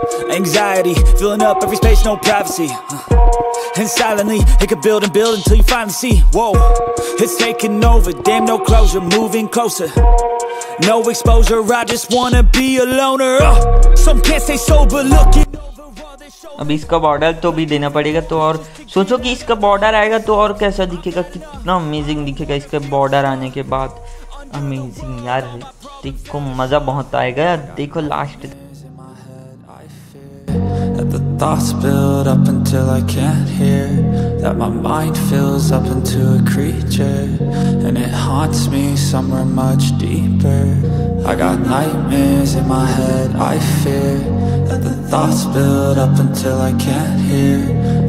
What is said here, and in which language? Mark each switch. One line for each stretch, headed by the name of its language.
English: Anxiety, filling up every space, no privacy. And silently, it could build and build until you finally see. Whoa, it's taking over, damn no closure, moving closer. No exposure, I just wanna be a loner. Some can't stay sober, looking.
Hindi: अब इसका border तो भी देना पड़ेगा, तो और सोचो कि इसका बॉर्डर आएगा तो और कैसा दिखेगा, कितना अमेजिंग दिखेगा इसके बॉर्डर आने के बाद। अमेजिंग यार, देखो मज़ा बहुत आएगा यार, देखो last.
English: Thoughts build up until I can't hear. That my mind fills up into a creature and it haunts me somewhere much deeper. I got nightmares in my head, I fear that the thoughts build up until I can't hear.